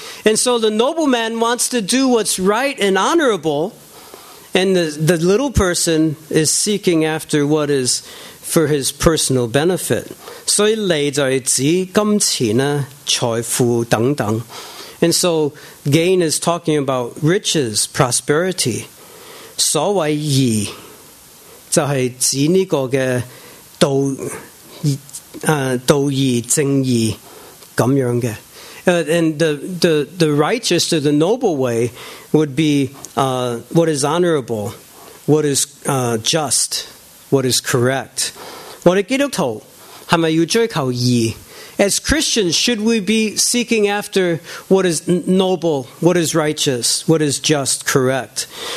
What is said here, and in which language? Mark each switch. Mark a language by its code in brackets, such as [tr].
[en] And so the noble man wants to do what's right and honorable, and the little person is seeking after what is for his personal benefit. [zh] 所以利就是指金钱、财富等等. [en] And so gain is talking about riches, prosperity. [zh] 所谓义就是指这个道义正义这样的. [en] And the righteous or the noble way would be what is honorable, what is just, what is correct. [zh] 我们基督徒是不是要追求义? [en] As Christians, should we be seeking after what is noble, what is righteous, what is just, correct?